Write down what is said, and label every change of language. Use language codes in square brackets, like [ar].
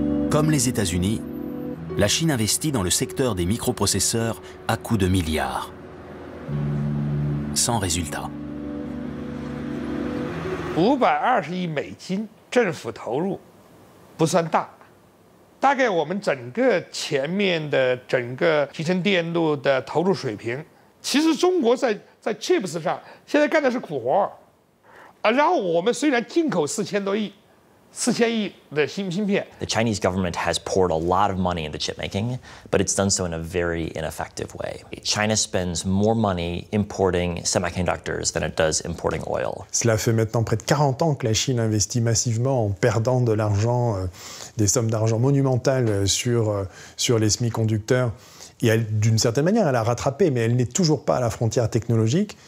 [fr] Comme les États-Unis, la Chine investit dans le secteur des microprocesseurs à coups de milliards. Sans résultat. [zh] 520亿美金政府投入不算大。 [en] The Chinese government has poured a lot of money into chip making, but it's done so in a very ineffective way. China spends more money importing semiconductors than it does importing oil. [fr] Cela fait maintenant près de 40 ans que la Chine investit massivement en perdant de l'argent, des sommes d'argent monumentales sur les semi-conducteurs. Et elle, d'une certaine manière, elle a rattrapé, mais elle n'est toujours pas à la frontière technologique.